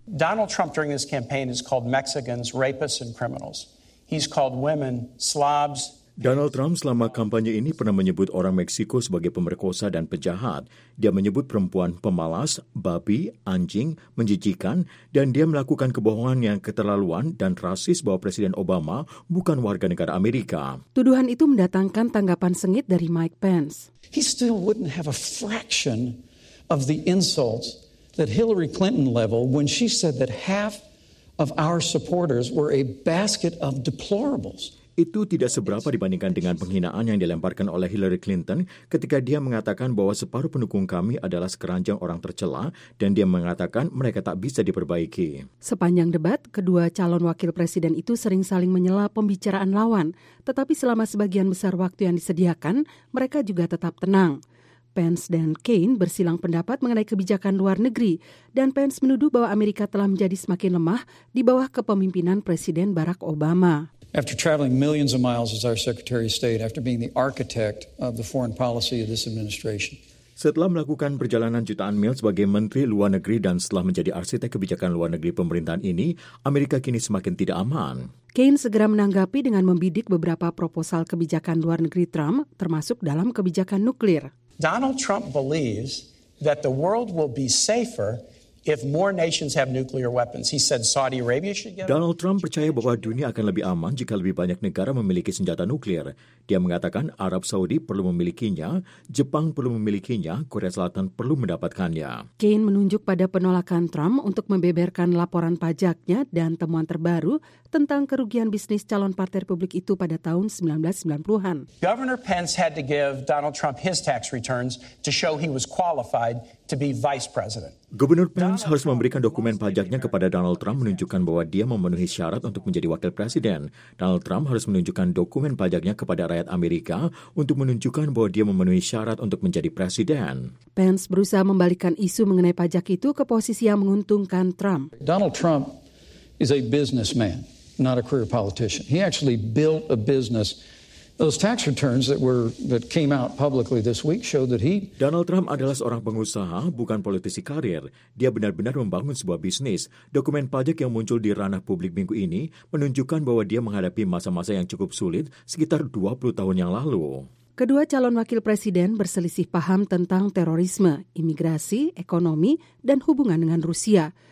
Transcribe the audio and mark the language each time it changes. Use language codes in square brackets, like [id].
[en] Donald Trump during this campaign has called Mexicans rapists and criminals. He's called women slobs. [id] Donald Trump selama kampanye ini pernah menyebut orang Meksiko sebagai pemerkosa dan penjahat. Dia menyebut perempuan pemalas, babi, anjing, menjijikan, dan dia melakukan kebohongan yang keterlaluan dan rasis bahwa Presiden Obama bukan warga negara Amerika. Tuduhan itu mendatangkan tanggapan sengit dari Mike Pence. [en] He still wouldn't have a fraction of the insult that Hillary Clinton leveled when she said that half of our supporters were a basket of deplorables. [id] Itu tidak seberapa dibandingkan dengan penghinaan yang dilemparkan oleh Hillary Clinton ketika dia mengatakan bahwa separuh pendukung kami adalah sekeranjang orang tercela dan dia mengatakan mereka tak bisa diperbaiki. Sepanjang debat, kedua calon wakil presiden itu sering saling menyela pembicaraan lawan, tetapi selama sebagian besar waktu yang disediakan, mereka juga tetap tenang. Pence dan Kaine bersilang pendapat mengenai kebijakan luar negeri, dan Pence menuduh bahwa Amerika telah menjadi semakin lemah di bawah kepemimpinan Presiden Barack Obama. [en] After traveling millions of miles as our Secretary of State, after being the architect of the foreign policy of this administration. [id] Setelah melakukan perjalanan jutaan mil sebagai Menteri Luar Negeri dan setelah menjadi arsitek kebijakan luar negeri pemerintahan ini, Amerika kini semakin tidak aman. Kaine segera menanggapi dengan membidik beberapa proposal kebijakan luar negeri Trump, termasuk dalam kebijakan nuklir. [en] Donald Trump believes that the world will be safer if more nations have nuclear weapons. He said Saudi Arabia should get. [id] Donald Trump percaya bahwa dunia akan lebih aman jika lebih banyak negara memiliki senjata nuklir. Dia mengatakan Arab Saudi perlu memilikinya, Jepang perlu memilikinya, Korea Selatan perlu mendapatkannya. Kane menunjuk pada penolakan Trump untuk membeberkan laporan pajaknya dan temuan terbaru tentang kerugian bisnis calon partai Republik itu pada tahun 1990-an. [en] Governor Pence had to give Donald Trump his tax returns to show he was qualified to be vice president. [id] Gubernur Pence harus memberikan dokumen pajaknya kepada Donald Trump menunjukkan bahwa dia memenuhi syarat untuk menjadi wakil presiden. Donald Trump harus menunjukkan dokumen pajaknya kepada rakyat Amerika untuk menunjukkan bahwa dia memenuhi syarat untuk menjadi presiden. Pence berusaha membalikkan isu mengenai pajak itu ke posisi yang menguntungkan Trump. [en] Donald Trump is a businessman, not a career politician. He actually built a business. Those tax returns that came out publicly this week show that he. [id] Donald Trump adalah seorang pengusaha, bukan politisi karir. Dia benar-benar membangun sebuah bisnis. Dokumen pajak yang muncul di ranah publik minggu ini menunjukkan bahwa dia menghadapi masa-masa yang cukup sulit sekitar 20 tahun yang lalu. Kedua calon wakil presiden berselisih paham tentang terorisme, imigrasi, ekonomi, dan hubungan dengan Rusia.